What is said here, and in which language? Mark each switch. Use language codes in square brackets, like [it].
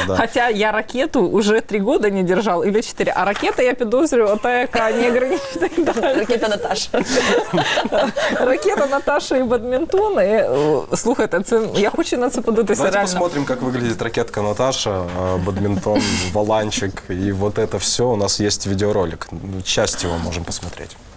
[ru] Хотя я ракету уже 3 года не держал, или 4, а ракета, я подозрю, та, яка не ограничена. Ракета Наташа. [uk] Ракета Наташа и бадминтон, и, слухайте, я хочу на це подивитися реально. [ru] Давайте посмотрим, как выглядит ракетка Наташа, бадминтон, валанчик, и вот это все, у нас есть видеоролик, часть его можем посмотреть.